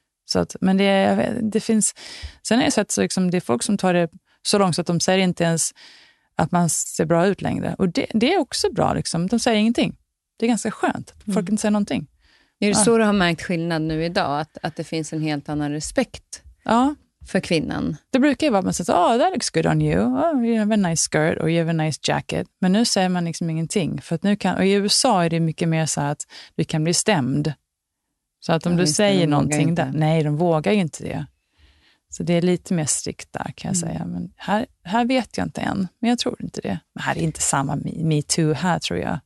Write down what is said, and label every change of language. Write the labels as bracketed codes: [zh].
[sv] Så att, men det finns, sen har jag sett så liksom, det är folk som tar det så långt så att de säger inte ens att man ser bra ut längre. Och det är också bra liksom, de säger ingenting. Det är ganska skönt att folk inte säger någonting. Är det så du har märkt skillnad nu idag, att det finns en helt annan respekt för kvinnan? Det brukar ju vara att man säger, [en] oh, that looks good on you. Oh, you have a nice skirt or you have a nice jacket. [sv] Men nu säger man liksom ingenting. För att nu kan, och i USA är det mycket mer så att du kan bli stämd. Så att om du säger någonting där, nej, de vågar ju inte det. Så det är lite mer strikt där, kan jag säga. Men här vet jag inte än, men jag tror inte det. Men här är inte samma Me Too här, tror jag.